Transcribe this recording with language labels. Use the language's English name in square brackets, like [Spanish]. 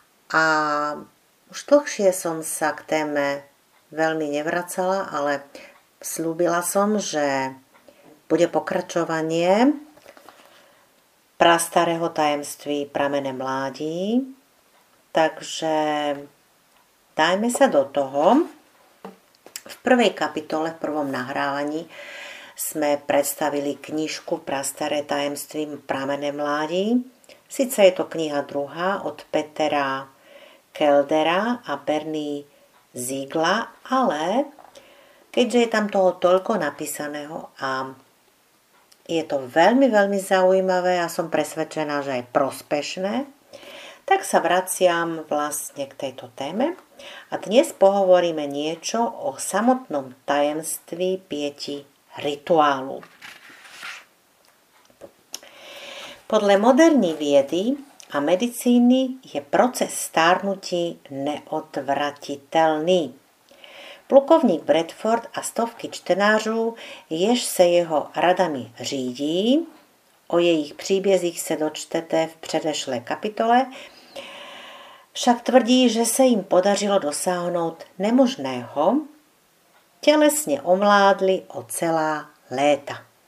[Slovak] a už dlhšie som sa k téme veľmi nevracala, ale slúbila som, že bude pokračovanie prastarého tajemství pramene mládí, takže dajme sa do toho. V prvej kapitole, v prvom nahrávaní sme predstavili knižku Prastaré tajemství pramene mládí. Sice je to kniha druhá od Petera Keldera a Bernie Ziegla, ale keďže je tam toho toľko napísaného a je to veľmi, veľmi zaujímavé a som presvedčená, že aj prospešné, tak sa vraciam vlastne k tejto téme. A dnes pohovoríme niečo o samotnom tajemství pieti rituálu. Podľa modernej viedy a medicíny je proces stárnutí neodvratiteľný. [Czech] Plukovník Bradford a stovky čtenářů, jež sa jeho radami řídí, o jejich příbězích se dočtete v předešlé kapitole, však tvrdí, že se jim podařilo dosáhnout nemožného, tělesně omládli o celá léta.